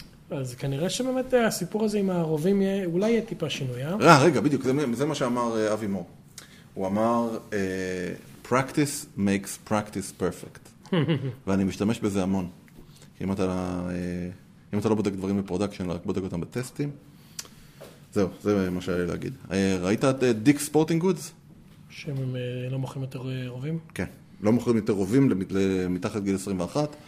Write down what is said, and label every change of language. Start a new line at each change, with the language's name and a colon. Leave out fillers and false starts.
Hebrew: אז כנראה שבאמת הסיפור הזה עם הרובים אולי יהיה טיפה שינוי, אה? רגע, בדיוק, זה מה שאמר אבי מור. הוא אמר,
English: practice makes practice perfect.
Hebrew: ואני משתמש בזה המון. אם אתה לא בודק דברים בפרודקשן, רק בודק אותם בטסטים. זהו, זה מה שהיה לי להגיד. ראית את דיק ספורטינג גודס? שהם לא מוכרים יותר רובים? כן, לא מוכרים יותר רובים מתחת גיל 21.